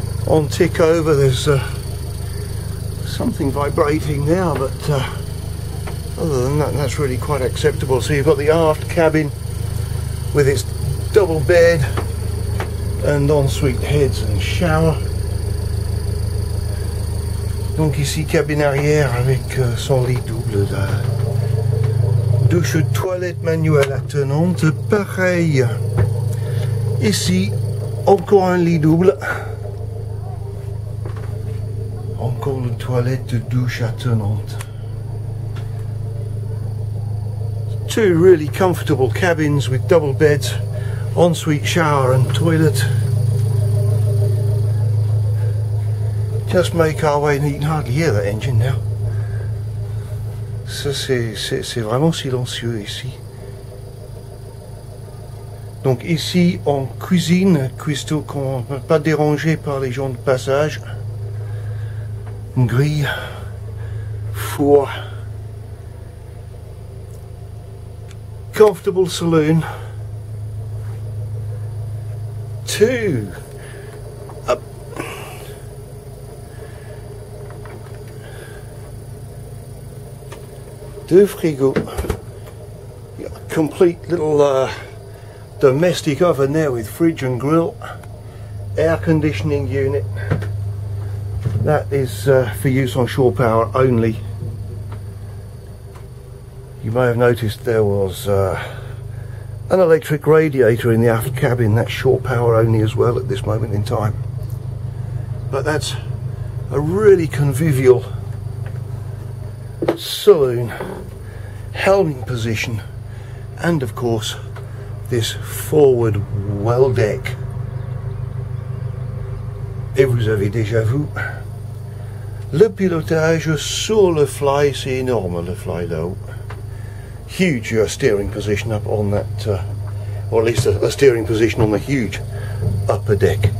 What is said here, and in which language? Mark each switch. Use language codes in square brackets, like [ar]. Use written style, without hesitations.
[en] On tick over, there's something vibrating now, but other than that, that's really quite acceptable. So you've got the aft cabin with its double bed and ensuite heads and shower. [fr] Donc ici, cabine arrière avec son lit double de douche toilette manuelle attenante. Pareil, ici, encore un lit double. Encore une toilette de douche attenante. [en] Two really comfortable cabins with double beds, ensuite shower and toilet. Just make our way, and you can hardly hear that engine now. [fr] Ça c'est vraiment silencieux ici. Donc ici on cuisine, cuistot qu'on ne peut pas déranger par les gens de passage. Grille, four, [en] comfortable saloon, two, [fr] deux frigo, [en] complete little domestic oven there with fridge and grill, air conditioning unit. That is for use on shore power only. You may have noticed there was an electric radiator in the aft cabin. That's shore power only as well at this moment in time. But that's a really convivial saloon, helming position, and of course this forward well deck. [fr] Et vous avez déjà vu. Le pilotage sur le fly, c'est énorme, le fly là-haut. [en] Huge steering position up on that, or at least a steering position on the huge upper deck.